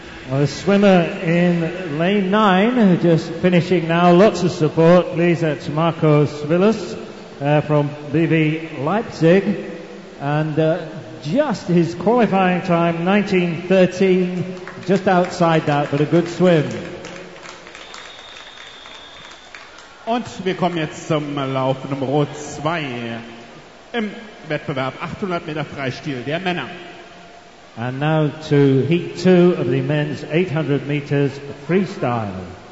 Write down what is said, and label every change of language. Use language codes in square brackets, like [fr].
[en] A swimmer in lane 9, just finishing now, lots of support, please, that's Marco Svillas from BV Leipzig, and just his qualifying time, 19:13, just outside that, but a good swim. [de] Und wir kommen jetzt zum Lauf Nummer 2 im Wettbewerb, 800 Meter Freistil der Männer. [en] And now to heat 2 of the men's 800 meters freestyle.